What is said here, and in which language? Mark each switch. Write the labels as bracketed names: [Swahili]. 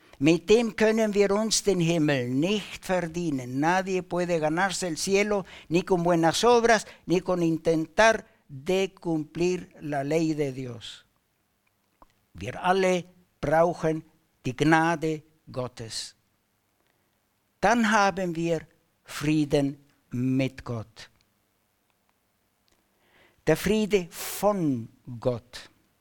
[German] Mit dem können wir uns den Himmel nicht verdienen. [Spanish] Nadie puede ganarse el cielo ni con buenas obras ni con intentar de cumplir la ley de Dios. [German] Wir alle brauchen die Gnade Gottes. Dann haben wir Frieden mit Gott. Der Friede von Gott.